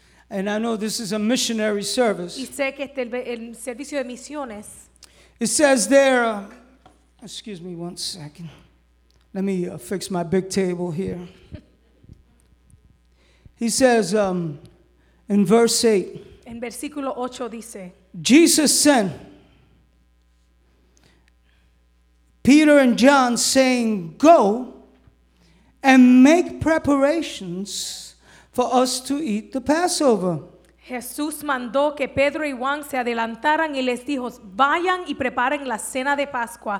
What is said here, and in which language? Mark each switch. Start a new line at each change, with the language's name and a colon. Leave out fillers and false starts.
English: and I know this is a missionary service,
Spanish: y sé que este es el servicio de misiones,
English: it says there, excuse me one second, let me fix my big table here. He says in verse 8,
Spanish: en versículo 8 dice,
English: Jesus sent Peter and John saying, go and make preparations for us to eat the Passover.
Spanish: Jesús mandó que Pedro y Juan se adelantaran y les dijo, vayan y preparen la cena de Pascua.